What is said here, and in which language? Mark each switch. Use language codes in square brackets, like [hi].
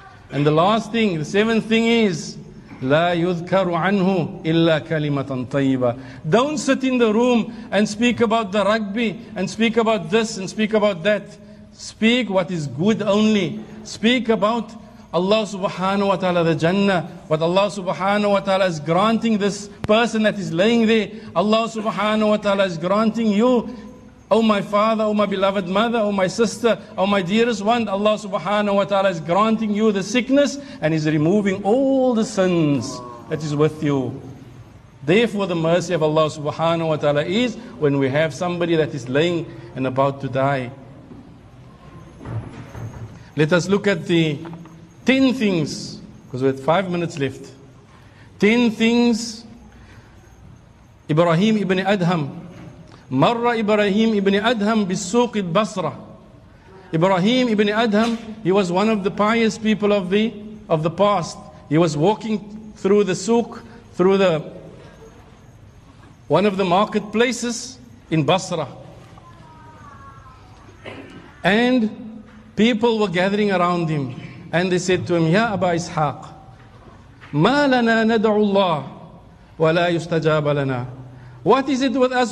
[en] And the last thing, the seventh thing is, [ar] لا يذكر عنه إلا كلمة طيبة. [en] Don't sit in the room and speak about the rugby and speak about this and speak about that. Speak what is good only. Speak about Allah subhanahu wa ta'ala, the Jannah, what Allah subhanahu wa ta'ala is granting this person that is laying there. Allah subhanahu wa ta'ala is granting you. Oh my father, oh my beloved mother, oh my sister, oh my dearest one, Allah subhanahu wa ta'ala is granting you the sickness and is removing all the sins that is with you. Therefore, the mercy of Allah subhanahu wa ta'ala is when we have somebody that is laying and about to die. Let us look at the 10 things, because we have 5 minutes left. 10 things, Ibrahim ibn Adham. [ar] مر إبراهيم ابن أدهم بالسوق البصرة. [en] Ibrahim ibn Adham, he was one of the pious people of the past. He was walking through the souk, through the one of the marketplaces in Basra. And people were gathering around him, and they said to him, [ar] يا أبا إسحاق ما لنا ندعو الله ولا يستجاب لنا. [en] What is it with us?